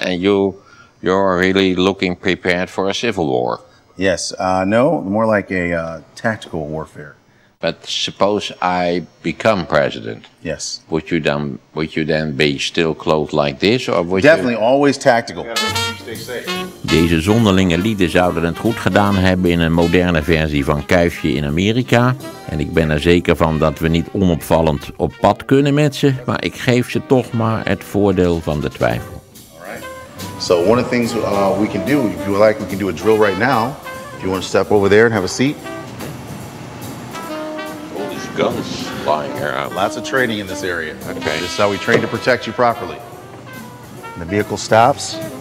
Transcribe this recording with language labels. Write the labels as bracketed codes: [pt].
[en] And you're really looking prepared for a civil war. Yes. No, more like a tactical warfare. But suppose I become president. Yes. Would you then be still clothed like this? Definitely always tactical. [nl] Deze zonderlinge lieden zouden het goed gedaan hebben in een moderne versie van Kuifje in Amerika. En ik ben er zeker van dat we niet onopvallend op pad kunnen met ze. Maar ik geef ze toch maar het voordeel van de twijfel. [en] Alright. So one of the things we can do, if you like, we can do a drill right now. If you want to step over there and have a seat. Guns flying around. Lots of training in this area. Okay. This is how we train to protect you properly. And the vehicle stops.